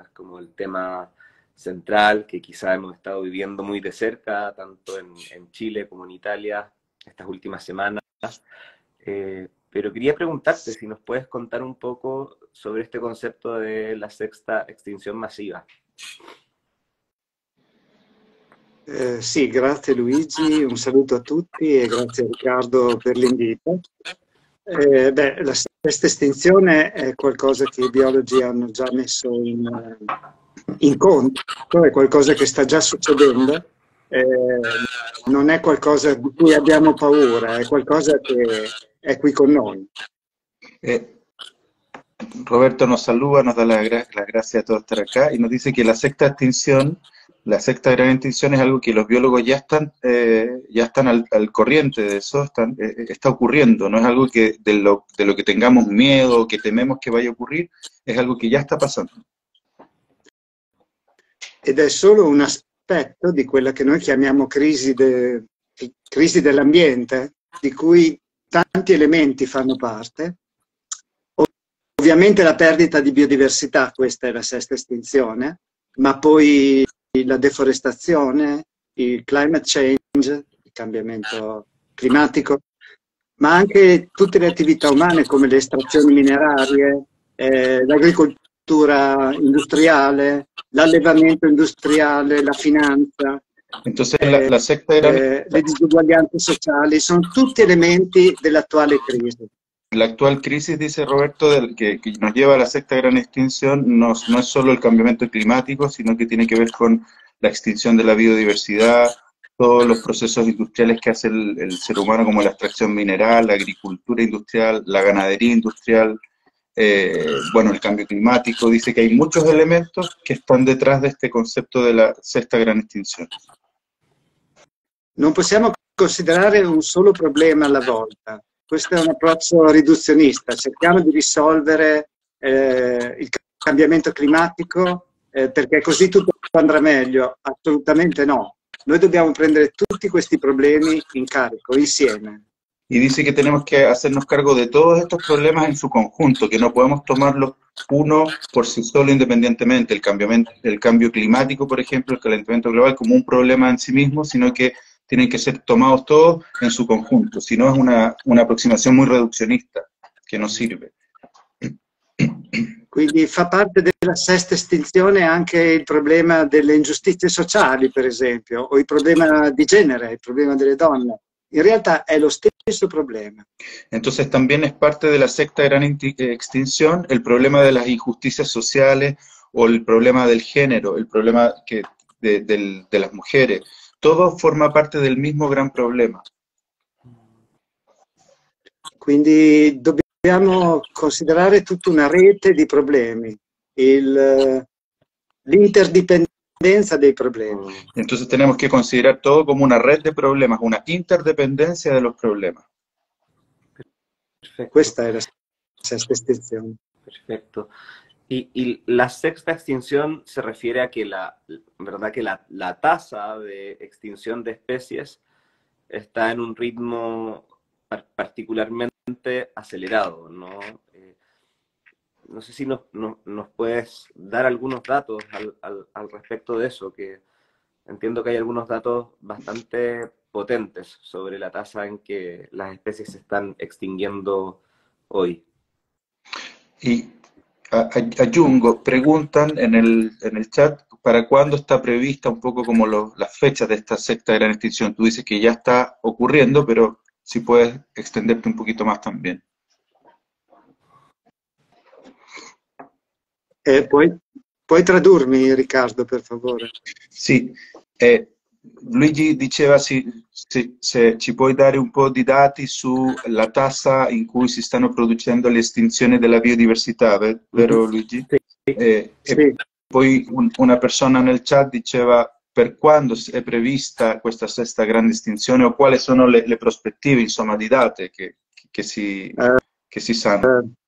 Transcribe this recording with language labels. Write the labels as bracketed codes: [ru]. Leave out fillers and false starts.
[es] Es como el tema central que quizá hemos estado viviendo muy de cerca, tanto en Chile como en Italia, estas últimas semanas. Pero quería preguntarte si nos puedes contar un poco sobre este concepto de la sexta extinción masiva. [it] Sì, grazie Luigi, un saluto a tutti e grazie Riccardo per l'invito. Beh, la sesta estinzione è qualcosa che i biologi hanno già messo in conto, è qualcosa che sta già succedendo, non è qualcosa di cui abbiamo paura, è qualcosa che è qui con noi. [es] Roberto nos saluda, nos da la gracia a todos estar acá y nos dice que la sexta extinción, la sexta gran extinción es algo que los biólogos ya están al corriente de eso, está ocurriendo, no es algo que de lo que tengamos miedo o que tememos que vaya a ocurrir, es algo que ya está pasando. [it] Ed è solo un aspetto di quella che noi chiamiamo crisi dell'ambiente, di cui tanti elementi fanno parte. Ovviamente la perdita di biodiversità, questa è la sesta estinzione, ma poi la deforestazione, il climate change, il cambiamento climatico, ma anche tutte le attività umane come le estrazioni minerarie, l'agricoltura industriale, l'allevamento industriale, la finanza, [es] Entonces la sexta gran [it] le disuguaglianze sociali, sono tutti elementi dell'attuale crisi. [es] la actual crisis, dice Roberto, que nos lleva a la sexta gran extinción, no es solo el cambiamiento climático, sino que tiene que ver con la extinción de la biodiversidad, todos los procesos industriales que hace el ser humano, como la extracción mineral, la agricultura industrial, la ganadería industrial, bueno, el cambio climático. Dice que hay muchos elementos que están detrás de este concepto de la sexta gran extinción. [it] Non possiamo considerare un solo problema alla volta. Questo è un approccio riduzionista. Cerchiamo di risolvere il cambiamento climatico perché così tutto andrà meglio. Assolutamente no. Noi dobbiamo prendere tutti questi problemi in carico, insieme. [es] Y dice que tenemos que hacernos cargo de todos estos problemas en su conjunto, que no podemos tomarlos uno por sí solo independientemente, el cambio climático, por ejemplo, el calentamiento global, como un problema en sí mismo, sino que tienen que ser tomados todos en su conjunto. Si no, es una aproximación muy reduccionista que no sirve. [it] Quindi fa parte della sesta estinzione anche il problema delle ingiustizie sociali, per esempio, o il problema di genere, il problema delle donne. In realtà è lo stesso problema. [es] Entonces también es parte de la sexta gran extinción el problema de las injusticias sociales o el problema del género, el problema que, de las mujeres. Todo forma parte del mismo gran problema. [it] Quindi dobbiamo considerare tutta una rete di problemi, l'interdipendenza dei problemi. [es] Entonces tenemos que considerar todo como una red de problemas, una interdependencia de los problemas. Perfecto. [it] Questa è la sesta estinzione. Perfetto. [es] Y la sexta extinción se refiere a que la verdad que la tasa de extinción de especies está en un ritmo particularmente acelerado, ¿no? No sé si nos puedes dar algunos datos al respecto de eso, que entiendo que hay algunos datos bastante potentes sobre la tasa en que las especies se están extinguiendo hoy. Y Ayungo, preguntan en el chat para cuándo está prevista un poco como las fechas de esta sexta gran extinción. Tú dices que ya está ocurriendo, pero si puedes extenderte un poquito más también. ¿Puedes tradurme, Ricardo, por favor? Sí. [it] Luigi diceva se ci puoi dare un po' di dati sulla tassa in cui si stanno producendo le estinzioni della biodiversità, vero Luigi? Sì. Poi una persona nel chat diceva per quando è prevista questa sesta grande estinzione o quali sono le prospettive, insomma, di date che si sanno.